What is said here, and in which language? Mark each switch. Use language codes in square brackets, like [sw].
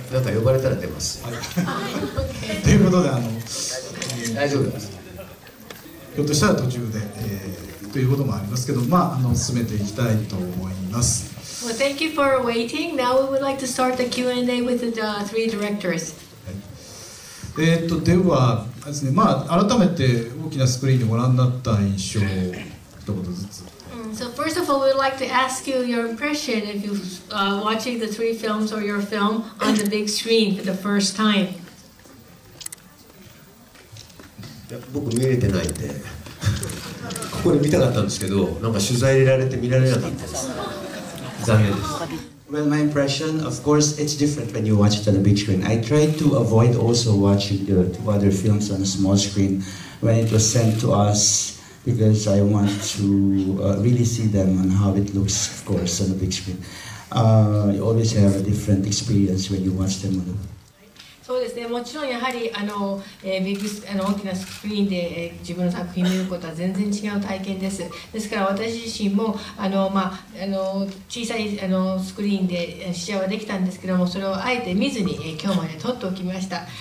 [ja] いや、呼ばれたら出ますと、はい、いうことで大丈夫です。ひょっとしたら途中で、ということもありますけど、まあ、進めていきたいと思います。 [en] Well, thank you for waiting. Now we would like to start the Q&A with the three directors. [ja] ではですね、まあ、改めて大きなスクリーンでご覧になった印象を一言ずつ。 [en] So first of all, we would like to ask you your impression if you're watching the three films or your film on the big screen for the first time. [ja] 僕見れてないんでここで見たかったんですけど、なんか取材入れられて見られなかったです。残念です。 [en] Well, my impression, of course, it's different when you watch it on a big screen. I tried to avoid also watching the two other films on a small screen when it was sent to us, because I want to really see them and how it looks, of course, on a big screen. You always have a different experience when you watch them on a... [ja] そうですね、もちろんやはり大きなスクリーンで、自分の作品を見ることは全然違う体験です。ですから私自身も小さいスクリーンで試写はできたんですけども、それをあえて見ずに、今日まで撮っておきました。